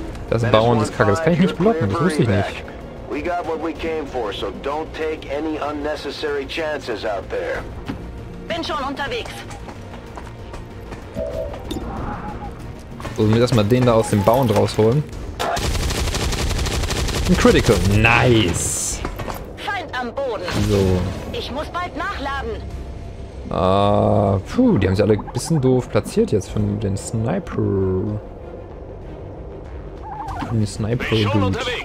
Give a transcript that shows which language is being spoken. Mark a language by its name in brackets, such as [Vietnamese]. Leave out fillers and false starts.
[German] Das Bauen ist kacke, das kann ich nicht blocken, das wusste ich nicht. [English] We got what we came for, so don't take any unnecessary chances out there. [German] Bin schon unterwegs. Sollen wir erstmal den da aus dem Bauen rausholen? Ein Critical, nice! Feind am Boden. So. Ich muss bald nachladen. Puh, die haben sich alle ein bisschen doof platziert jetzt von den Sniper. Von den Sniper-Dude.